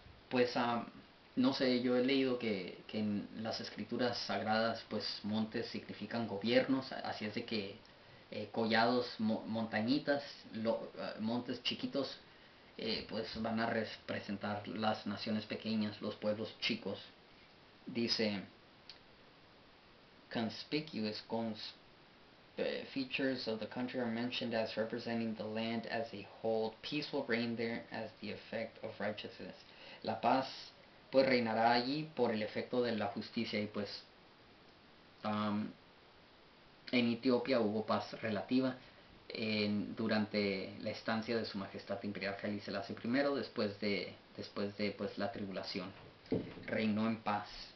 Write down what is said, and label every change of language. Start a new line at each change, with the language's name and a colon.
Spanish: Pues no sé, yo he leído que en las escrituras sagradas, pues montes significan gobiernos. Así es de que collados, montañitas, montes chiquitos, pues van a representar las naciones pequeñas, los pueblos chicos. Dice:
English: conspicuous features of the country are mentioned as representing the land as a whole. Peace will reign there as the effect of righteousness.
Spanish: La paz pues reinará allí por el efecto de la justicia. Y pues en Etiopía hubo paz relativa durante la estancia de su majestad imperial Haile Selassie I. Después de pues la tribulación reinó en paz.